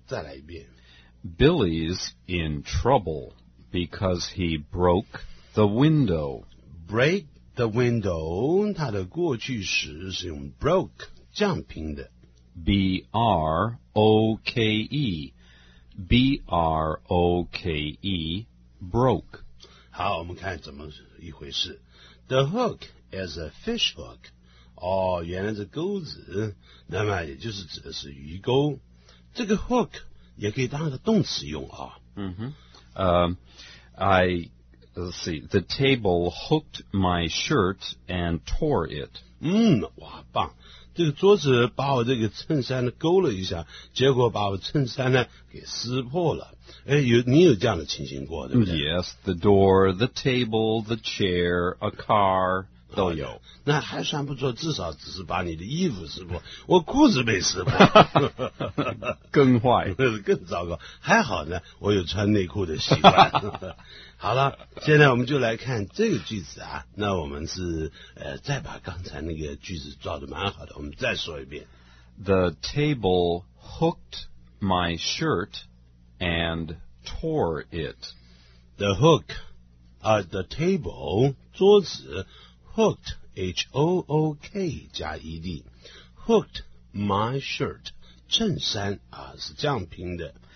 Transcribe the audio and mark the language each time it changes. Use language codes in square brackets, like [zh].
[zh] 再来一遍 [en] ：Billy's in trouble because he broke the window. Break the window, [zh] 它的过去时是用 broke, 降平的。 B-R-O-K-E, B-R-O-K-E, broke. 好我们看怎么一回事。 [en] The hook is a fish hook. [zh] 哦原来是钩子那么也就是指的是鱼钩。这个 hook 也可以当个动词用啊。 [en] Let's see, the table hooked my shirt and tore it. [zh] 哇棒。这个桌子把我这个衬衫呢勾了一下结果把我衬衫呢给撕破了。你有这样的情形过对不对 [en] Yes, the door, the table, the chair, a car, [zh] 都有。那还算不错至少只是把你的衣服撕破。我裤子没撕破。更坏。更糟糕。还好呢我有穿内裤的习惯。好了现在我们就来看这个句子啊那我们是再把刚才那个句子照得蛮好的我们再说一遍。 [en] The table hooked my shirt and tore it. The hook, the table, 桌子 hooked, H-O-O-K 加 E-D, hooked my shirt, [zh] 衬衫啊是这样拼的